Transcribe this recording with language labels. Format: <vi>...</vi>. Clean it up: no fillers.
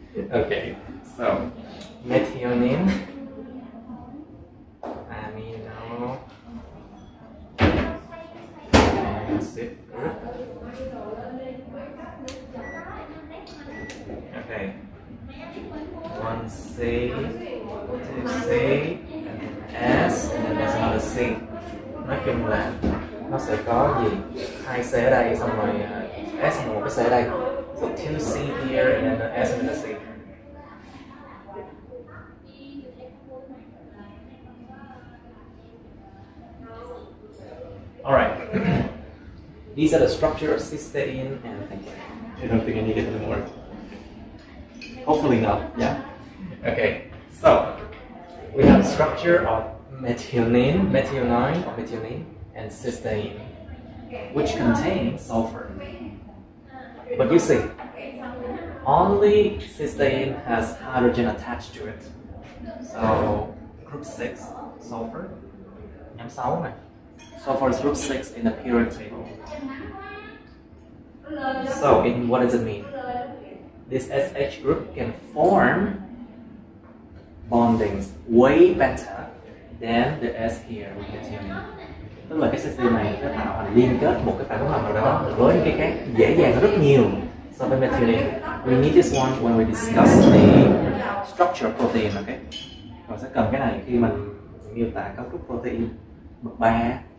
<en>Okay, so methionine, amino acid group. Okay, one C, two C, and then S, and then there's another C.</en> <vi>Nói chung là nó sẽ có gì hai C ở đây, xong rồi S một cái C ở đây.</vi> <en>So two C here, and then the S and the C. Alright, these are the structure of cysteine and I don't think I need it anymore. Hopefully not, yeah. Okay, so we have structure of methionine, methionine or methionine, and cysteine, which contains sulfur. But you see, only cysteine has hydrogen attached to it. So group 6, sulfur. So far it's group 6 in the periodic table. So in what does it mean? This SH group can form bondings way better than the S here with methionine.</en> <vi>Tức là cái cysteine này nó tạo thành liên kết một cái phản ứng hoàn nào đó với cái khác dễ dàng rất nhiều so với methionine.</vi> <en>We need this one when we discuss the structure of protein, okay?</en> <vi>Mình sẽ cần cái này khi mình miêu tả cấu trúc protein bậc 3.</vi>